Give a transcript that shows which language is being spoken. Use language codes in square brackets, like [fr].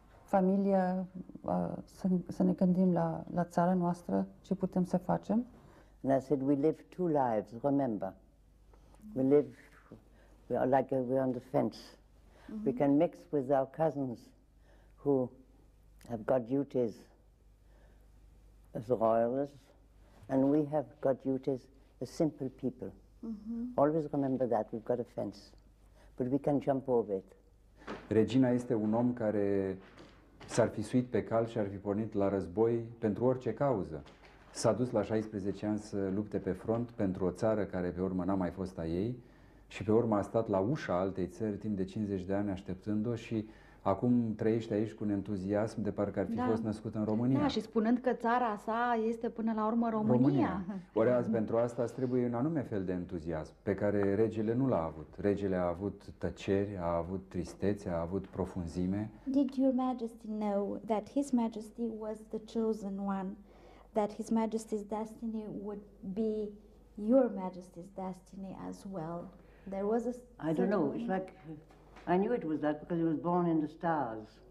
[ro] Familia, să ne gândim la țara noastră, ce putem să facem. [en] And I said, we live two lives, remember. We are like we're on the fence. Mm-hmm. We can mix with our cousins who have got duties as royalists, and we have got duties as simple people. Mm-hmm. Always remember that, we've got a fence, but we can jump over it. [ro] Regina este un om care s-ar fi suit pe cal și ar fi pornit la război pentru orice cauză. S-a dus la 16 ani să lupte pe front pentru o țară care pe urmă n-a mai fost a ei și pe urmă a stat la ușa altei țări timp de 50 de ani așteptând-o și acum trăiește aici cu un entuziasm de parcă ar fi fost născut în România. Da, și spunând că țara sa este până la urmă România. Ori azi, pentru asta trebuie un anume fel de entuziasm pe care regele nu l-a avut. Regele a avut tăceri, a avut tristețe, a avut profunzime. [en] Did Your Majesty know that His Majesty was the chosen one, that His Majesty's destiny would be Your Majesty's destiny as well? There was a I don't know, it's like I knew it was that because he was born in the stars.